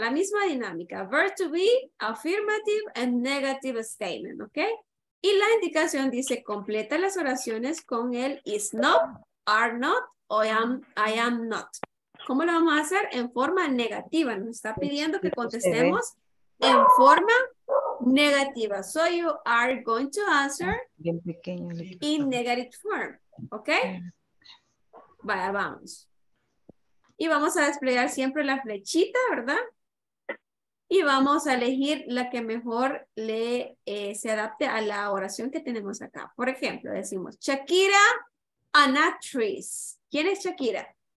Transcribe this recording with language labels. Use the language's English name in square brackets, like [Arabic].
[Spanish] La misma dinámica. [English] Verb to be, affirmative and negative statement, ¿ok? [Spanish] Y la indicación dice, completa las oraciones con el is not, are not, o I am not. ¿Cómo lo vamos a hacer? En forma negativa. Nos está pidiendo que contestemos en forma negativa. [English] So you are going to answer in negative form. [Spanish] ¿Ok? Vaya, vamos. Y vamos a desplegar siempre la flechita, ¿verdad? Y vamos a elegir la que mejor se adapte a la oración que tenemos acá. Por ejemplo, decimos Shakira, an actress. ¿Quién es Shakira?